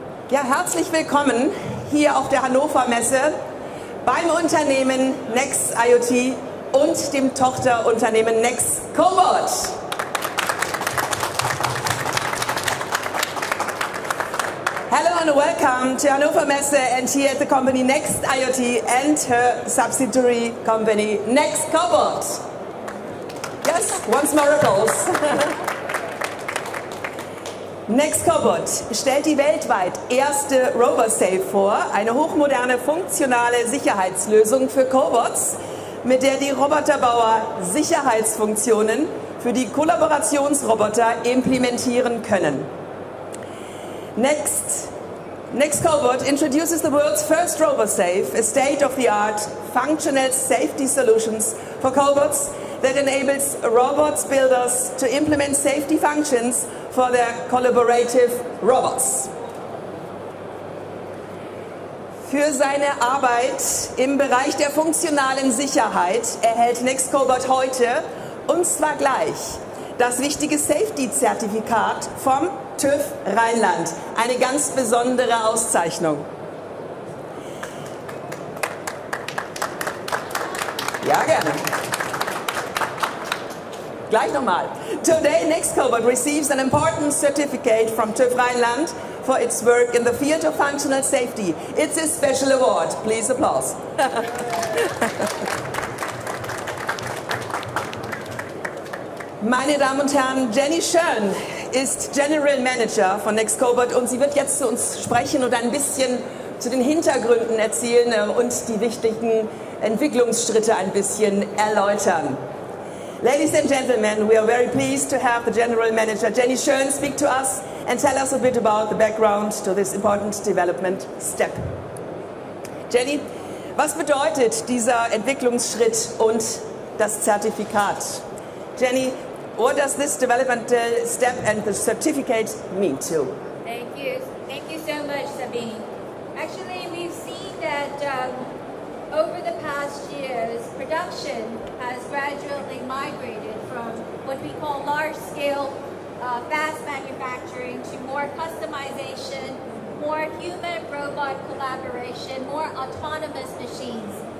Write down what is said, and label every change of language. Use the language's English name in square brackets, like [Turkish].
[German] Ja, herzlich willkommen hier auf der Hannover Messe beim Unternehmen Next IoT und dem Tochterunternehmen Next Cobot. [English] Hello and welcome to Hannover Messe and here at the company Next IoT and her subsidiary company Next Cobot. Yes, once more applause. [German] Next Cobot stellt die weltweit erste RoboSafe vor, eine hochmoderne funktionale Sicherheitslösung für Cobots, mit der die Roboterbauer Sicherheitsfunktionen für die Kollaborationsroboter implementieren können. [English] Next Cobot introduces the world's first RoboSafe, a state-of-the-art functional safety solutions for Cobots that enables robots builders to implement safety functions for their collaborative robots. [German] Für seine Arbeit im Bereich der funktionalen Sicherheit erhält Next Cobot heute, und zwar gleich, das wichtige Safety-Zertifikat vom TÜV Rheinland. Eine ganz besondere Auszeichnung. Ja, gerne. Gleich nochmal. [English] Today, Next Cobot receives an important certificate from TÜV Rheinland for its work in the field of functional safety. It's a special award. Please applause. [German] Meine Damen und Herren, Jenny Schön ist General Manager von Next Cobot und sie wird jetzt zu uns sprechen und ein bisschen zu den Hintergründen erzählen und die wichtigen Entwicklungsschritte ein bisschen erläutern. [English] Ladies and gentlemen, we are very pleased to have the General Manager Jenny Schön speak to us and tell us a bit about the background to this important development step. [German] Jenny, was bedeutet dieser Entwicklungsschritt und das Zertifikat? [English] Jenny, what does this developmental step and the certificate mean to? Thank you so much, Sabine. Actually, we've seen that over the past years, production has gradually migrated from what we call large-scale fast manufacturing to more customization, more human-robot collaboration, more autonomous machines.